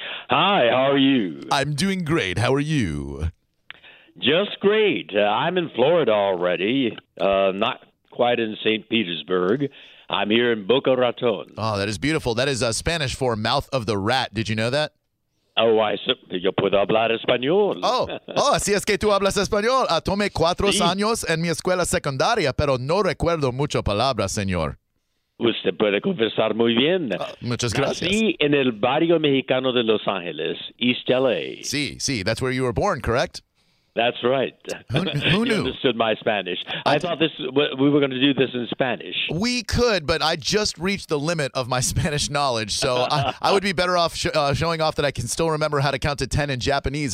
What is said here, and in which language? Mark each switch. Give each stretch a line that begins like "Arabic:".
English: Hi, how are you? I'm doing great. How are you? Just great. I'm in Florida already, not quite in St. Petersburg. I'm here in Boca Raton. Oh, that is beautiful. That is Spanish for mouth of the rat. Did you know that? Oh, I said,
Spanish: yo puedo hablar español. Oh, así es que tú hablas español. Tomé 4 sí. años en mi escuela secundaria, pero no recuerdo mucho palabras, señor. Usted puede conversar muy bien. Muchas gracias. Nací en el barrio mexicano de Los Ángeles, East LA. Sí,
English: that's where you were born, correct? That's right. Who knew? You understood my Spanish. I thought this we were going to do this in Spanish. We could, but I just reached the limit of my Spanish knowledge, so I would be better off showing off that I can still remember how to count to 10 in Japanese.